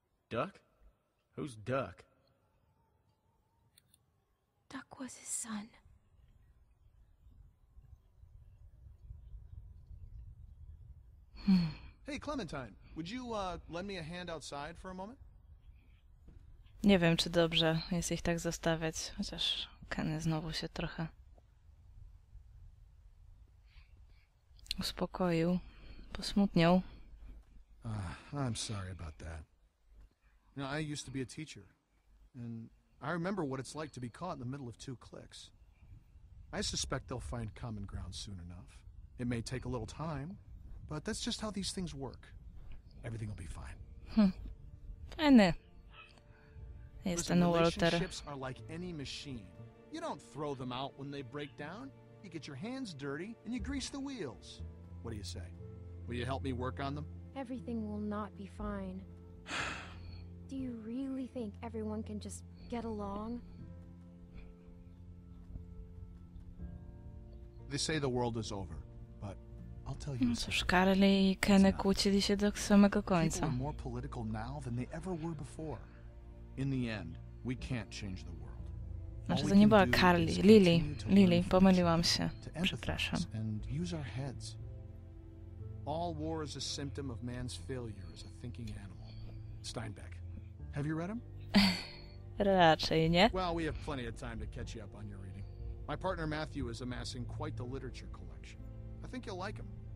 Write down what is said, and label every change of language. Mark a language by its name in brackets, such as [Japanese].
[English] Duck? Who's Duck? Duck was his son. Hey, Clementine, would you lend me a hand outside for a moment? [Polish] Nie wiem, czy dobrze jest ich tak zostawiać, chociaż Kenny znowu się trochę uspokoił, posmutniał. [English] I'm sorry about that. You know, I used to be a teacher, and I remember what it's like to be caught in the middle of two cliques. I suspect they'll find common ground soon enough. It may take a little time, but that's just how these things work. Everything will be fine. [Polish] Fajne. Jest ten Walter. [English] Relationships are like any machine. You don't throw them out when they break down. You get your hands dirty and you grease the wheels. What do you say? Will you help me work on them? Everything will not be fine. Do you really think everyone can just get along? They say the world is over. I'll tell you. [Polish] No cóż, Karol i Kenny kłócili się do samego końca. [English] People are more political now than they ever were before. In the end, we can't change the world. [Polish] Znaczy, to nie była Karli, Lily, pomyliłam się. Przepraszam. [English] And use our heads. All war is a symptom of man's failure as a thinking animal. Steinbeck. Have you read him? [Polish] Raczej nie. [English] Well, we have plenty of time to catch you up on your reading. My partner Matthew is amassing quite the literature collection. I think you'll like him.